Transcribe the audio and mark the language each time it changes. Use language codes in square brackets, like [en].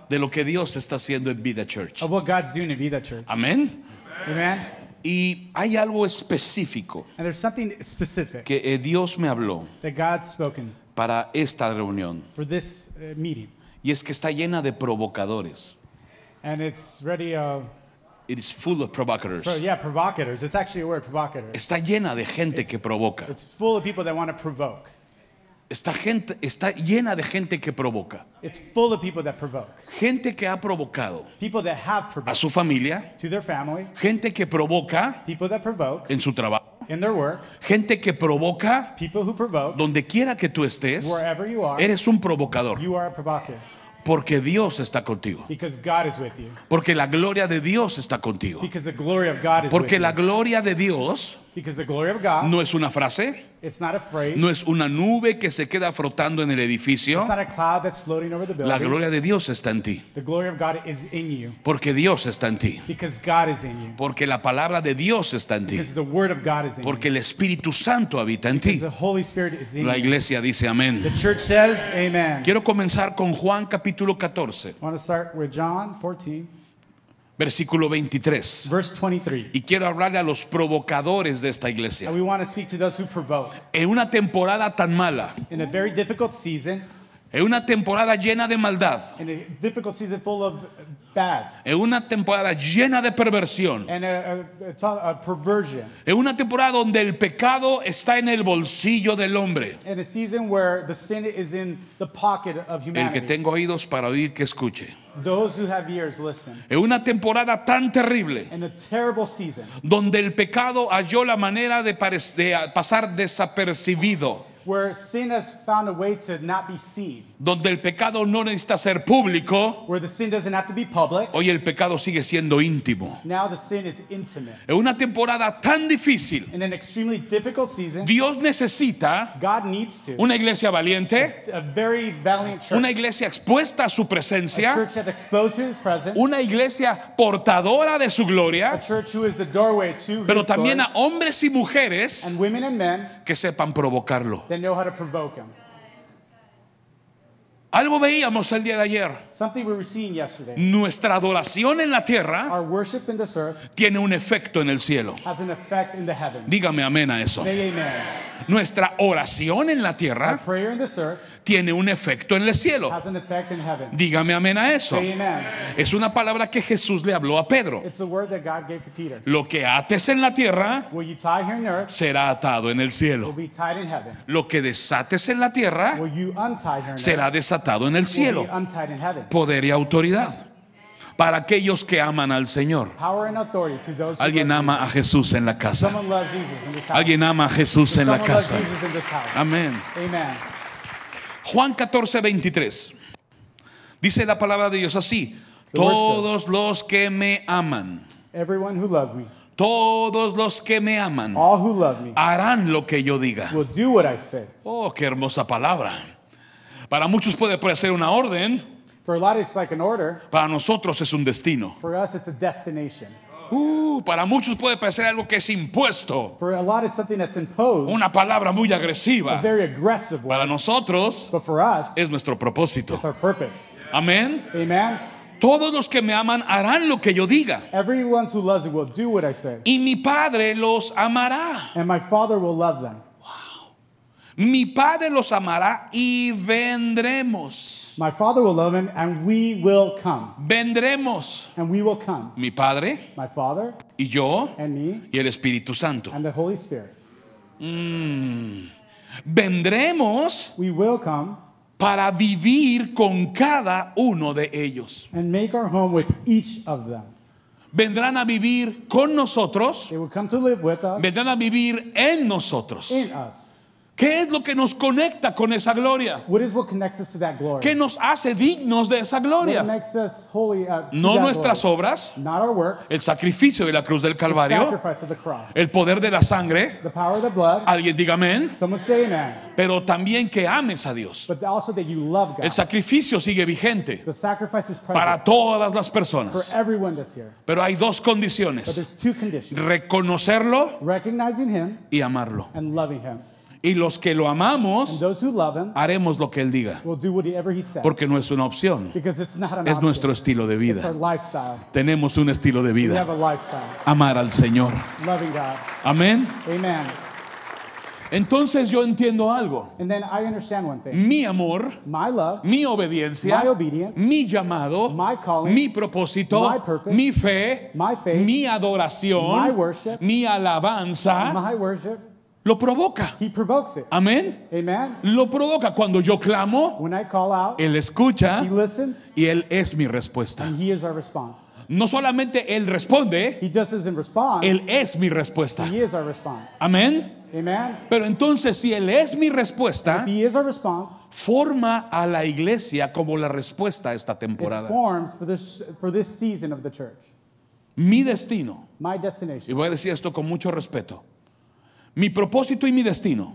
[es] De lo que Dios está haciendo en Vida Church. [en] Of what God's doing in Vida Church. [es] Amén. [en] Amen. [es] Y hay algo específico. [en] And there's something specific. [es] Que Dios me habló. [en] That God's spoken. [es] Para esta reunión. [en] For this meeting. [es] Y es que está llena de provocadores. [en] And it's ready of. It is full of provocateurs. Yeah, provocateurs. It's actually a word, provocateur. [es] Está llena de gente que provoca. [en] It's full of people that want to provoke. [es] Está llena de gente que provoca. [en] It's full of people that provoke. [es] Gente que ha provocado. [en] People that have provoked. [es] A su familia. [en] To their family. [es] Gente que provoca. [en] People that provoke. [es] En su trabajo. [en] In their work. [es] Gente que provoca. [en] People who provoke. [es] Donde quiera que tú estés. [en] Wherever you are. [es] Eres un provocador. [en] You are a provocateur. [es] Porque Dios está contigo. [en] Because God is with you. [es] Porque la gloria de Dios está contigo. [en] Because the glory of God is [es] Porque [en] with [es] la [en] you. [es] Gloria de Dios. [en] Because the glory of God. [es] No es una frase. [en] It's not a phrase. [es] No es una nube que se queda flotando en el edificio. [en] It's not a cloud that's floating over the building. [es] La gloria de Dios está en ti. [en] The glory of God is in you. [es] Porque Dios está en ti. [en] Because God is in you. [es] Porque la palabra de Dios está en ti. [en] Because the word of God is in [es] Porque [en] you. [es] El Espíritu Santo habita en [en] Because [es] ti. [en] The Holy Spirit is in [es] la iglesia [en] you. [es] Dice amén. [en] The church says amen. [es] Quiero comenzar con Juan capítulo 14. [en] I want to start with John 14. [es] Versículo 23. [en] Verse 23. [es] Y quiero hablarle a los provocadores de esta iglesia. [en] And we want to speak to those who provoke. [es] En una temporada tan mala. [en] In a very difficult season. [es] En una temporada llena de maldad. [en] In a difficult season full of bad. [es] En una temporada llena de perversión. [en] And a perversion. [es] En una temporada donde el pecado está en el bolsillo del hombre. [en] In a season where the sin is in the pocket of humanity. [es] El que tengo oídos para oír que escuche. [en] Those who have ears, listen. [es] En una temporada tan terrible. [en] In a terrible season. [es] Donde el pecado halló la manera de pasar desapercibido. [en] Where sin has found a way to not be seen. [es] Donde el pecado no necesita ser público. [en] Where the sin doesn't have to be public. [es] Hoy el pecado sigue siendo íntimo. [en] Now the sin is intimate. [es] En una temporada tan difícil. [en] In an extremely difficult season. [es] Dios necesita. [en] God needs to. [es] Una iglesia valiente. [en] A very valiant church. [es] Una iglesia expuesta a su presencia. [en] A church that exposed to his presence. [es] Una iglesia portadora de su gloria. [en] A church who is the doorway to his glory. [es] Pero también a hombres y mujeres. [en] And women and men. [es] Que sepan provocarlo. [en] That know how to provoke him. [es] Algo veíamos el día de ayer. [en] Something we were seeing yesterday. [es] Nuestra adoración en la tierra. [en] Our worship in this earth. [es] Tiene un efecto en el cielo. [en] Has an effect in the heavens. [es] Dígame amén a eso. [en] Say amen. [es] Nuestra oración en la tierra. [en] Our prayer in this earth. [es] Tiene un efecto en el cielo. [en] Has an effect in heaven. [es] Dígame amén a eso. [en] Say amen. [es] Es una palabra que Jesús le habló a Pedro. [en] It's the word that God gave to Peter. [es] Lo que ates en la tierra. [en] Will you tie here in earth? [es] Será atado en el cielo. [en] Will be tied in heaven. [es] Lo que desates en la tierra. [en] Will you untie here in earth? [es] Será desatado en el cielo. Poder y autoridad para aquellos que aman al Señor. Alguien ama a Jesús en la casa. Alguien ama a Jesús en la casa. Amén. Juan 14, 23. Dice la palabra de Dios así: todos los que me aman. [en] Everyone who loves me. [es] Todos los que me aman. [en] All who love me. [es] Harán lo que yo diga. [en] Will do what I say. [es] Oh, qué hermosa palabra. Para muchos puede parecer una orden. [en] For a lot it's like an order. [es] Para nosotros es un destino. [en] For us it's a destination. [es] Para muchos puede parecer algo que es impuesto. [en] For a lot it's something that's imposed. [es] Una palabra muy agresiva. [en] A very aggressive one. [es] Para nosotros. [en] But for us. [es] Es nuestro propósito. [en] It's our purpose. [es] Amén. [en] Amen. [es] Todos los que me aman harán lo que yo diga. [en] Everyone who loves me will do what I say. [es] Y mi Padre los amará. [en] And my Father will love them. [es] Mi Padre los amará y vendremos. [en] My Father will love him and we will come. [es] Vendremos. [en] And we will come. [es] Mi Padre. [en] My Father. [es] Y yo. [en] And me. [es] Y el Espíritu Santo. [en] And the Holy Spirit. [es] Vendremos. [en] We will come. [es] Para vivir con cada uno de ellos. [en] And make our home with each of them. [es] Vendrán a vivir con nosotros. [en] They will come to live with us. [es] Vendrán a vivir en nosotros. [en] In us. [es] ¿Qué es lo que nos conecta con esa gloria? [en] What is what connects us to that glory? [es] ¿Qué nos hace dignos de esa gloria? [en] What makes us holy, [es] no nuestras [en] glory. [es] Obras, [en] not our works, [es] el sacrificio de la cruz del Calvario, [en] the sacrifice of the cross, [es] el poder de la sangre, [en] the power of the blood, [es] alguien diga amén, [en] someone say amen, [es] pero también que ames a Dios. [en] But also that you love God. [es] El sacrificio sigue vigente, [en] the sacrifice is present, [es] para todas las personas, [en] for everyone that's here. [es] Pero hay dos condiciones, [en] but there's two conditions. [es] Reconocerlo, [en] recognizing him, [es] y amarlo. [en] And loving him. [es] Y los que lo amamos, [en] him, [es] haremos lo que Él diga. [en] We'll do whatever he says. [es] Porque no es una opción. [en] Because it's not an option. [es] Es nuestro estilo de vida. [en] It's our lifestyle. [es] Tenemos un estilo de vida. [en] We have a lifestyle. [es] Amar al Señor. [en] Loving God. [es] Amén. [en] Amen. [es] Entonces yo entiendo algo. [en] And then I understand one thing. [es] Mi amor, [en] my love, [es] mi obediencia, [en] my obedience, [es] mi llamado, [en] my calling, [es] mi propósito, [en] my purpose, [es] mi fe, [en] my faith, [es] mi adoración, [en] my worship, [es] mi alabanza, [en] my worship, [es] lo provoca. [en] He provokes it. [es] Amén. [en] Amen. [es] Lo provoca cuando yo clamo. [en] When I call out, [es] él escucha. [en] He listens, [es] y él es mi respuesta. [en] And he is our response. [es] No solamente él responde. [en] He just doesn't respond. [es] Él es mi respuesta. [en] He is our response. [es] Amén. [en] Amen. [es] Pero entonces si él es mi respuesta, [en] if he is our response, [es] forma a la iglesia como la respuesta a esta temporada. [en] It forms for this season of the church. [es] Mi destino. [en] My destination. [es] Y voy a decir esto con mucho respeto. Mi propósito y mi destino